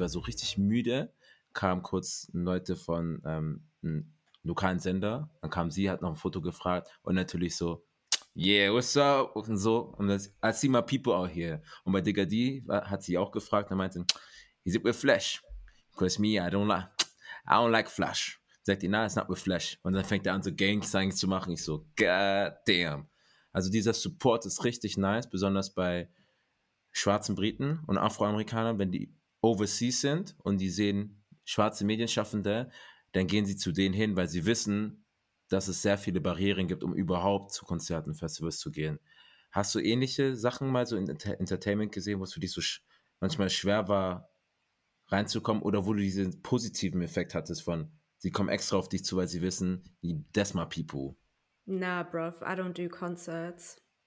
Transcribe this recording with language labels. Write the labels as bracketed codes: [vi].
[de] war so richtig müde, kam kurz Leute von einem lokalen Sender, dann kam sie, hat noch ein Foto gefragt und natürlich so, [en] yeah, what's up? [de] Und so, und das, [en] I see my people out here. [de] Und bei Digga D hat sie auch gefragt, dann meinte, [en] is it with flash? Because me, I don't like flash. [de] Sagt die, [en] nah, it's not with flash. [de] Und dann fängt er an, so Gang-Signs zu machen. Ich so, [en] god damn. [de] Also dieser Support ist richtig nice, besonders bei schwarzen Briten und Afroamerikanern, wenn die overseas sind und die sehen schwarze Medienschaffende, dann gehen sie zu denen hin, weil sie wissen, dass es sehr viele Barrieren gibt, um überhaupt zu Konzerten, Festivals zu gehen. Hast du ähnliche Sachen mal so in Entertainment gesehen, wo es für dich so manchmal schwer war, reinzukommen oder wo du diesen positiven Effekt hattest von, sie kommen extra auf dich zu, weil sie wissen, die Desma People. [en] Nah, bruv, I don't do concerts.